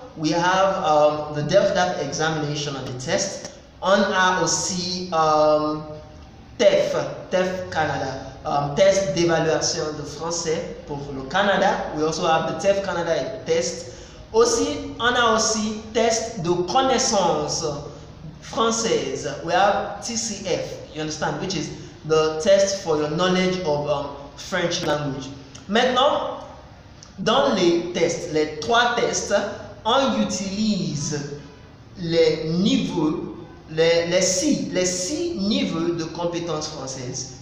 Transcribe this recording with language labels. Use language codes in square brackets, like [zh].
[en] We have the DELF-DAF examination and the test. [fr] On a aussi TEF Canada, test d'évaluation de français pour le Canada. [en] We also have the TEF Canada test. [fr] Aussi, on a aussi test de connaissance française. [en] We have TCF, you understand, which is the test for your knowledge of French language. [fr] Maintenant, dans les tests, les trois tests, on utilise les niveaux, les six niveaux de compétences françaises.